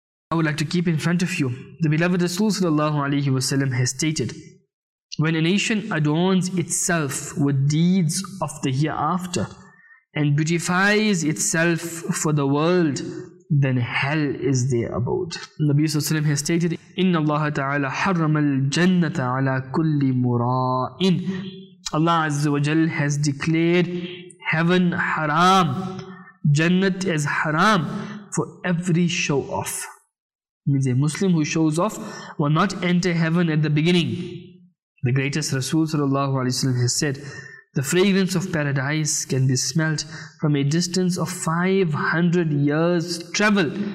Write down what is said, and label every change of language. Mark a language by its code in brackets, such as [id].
[en] I would like to keep in front of you. The beloved Rasul sallallahu alayhi wa sallam has stated, when a nation adorns itself with deeds of the hereafter and beautifies itself for the world, then hell is their abode. Nabi sallam has stated, [ar] إِنَّ اللَّهَ تَعَالَى حَرَّمَ الْجَنَّةَ عَلَىٰ كُلِّ مُرَائِنَ. [en] Allah Azza wa Jal has declared heaven haram, Jannat is haram for every show off. It means a Muslim who shows off will not enter heaven at the beginning. The greatest Rasul sallallahu alayhi wa sallam has said, the fragrance of paradise can be smelt from a distance of 500 years travel.